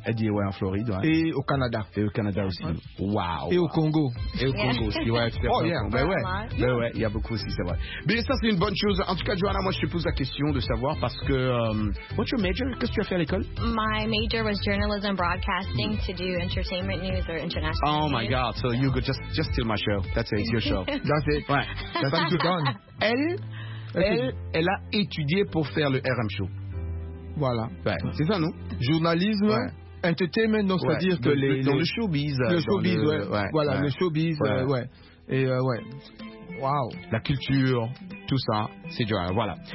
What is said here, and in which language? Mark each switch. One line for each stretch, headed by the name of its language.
French: elle dit ouais, en Floride, ouais. Et au Canada. Et au Canada aussi. Waouh! Et au Congo. Et au Congo aussi, ouais. Ben ouais, il y a beaucoup aussi, c'est vrai. Mais ça, c'est une bonne chose. En tout cas, Johanna, moi, je te pose la question de savoir parce que.
English: What's your major?
French: Qu'est-ce que tu as fait à l'école?
English: My major was journalism broadcasting to do entertainment news or international news. Oh my god, so you could just steal my show. That's it, it's your show. That's it.
French: Ouais.
English: That's it.
French: Elle a étudié pour faire le RM Show. Voilà. Ouais. C'est ça, non? Journalisme, ouais. Entertainment, donc ouais. C'est-à-dire que dans le showbiz. Le showbiz, ouais. Voilà, ouais. Le showbiz, ouais. Et ouais. Waouh. La culture, tout ça, c'est Johanna. Voilà.